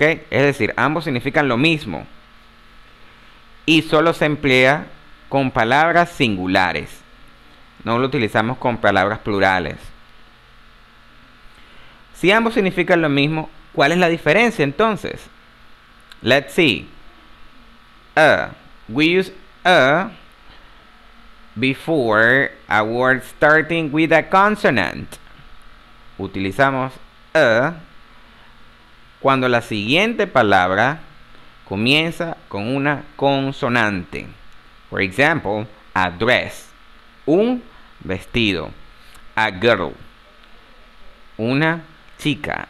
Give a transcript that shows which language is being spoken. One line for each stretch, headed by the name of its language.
Spanish: Es decir, ambos significan lo mismo. Y solo se emplea con palabras singulares. No lo utilizamos con palabras plurales. Si ambos significan lo mismo, ¿cuál es la diferencia entonces?
English: Let's see. A. We use a before a word starting with a consonant.
Spanish: Utilizamos a cuando la siguiente palabra comienza con una consonante.
English: For example, a dress,
Spanish: un vestido.
English: A girl,
Spanish: una chica.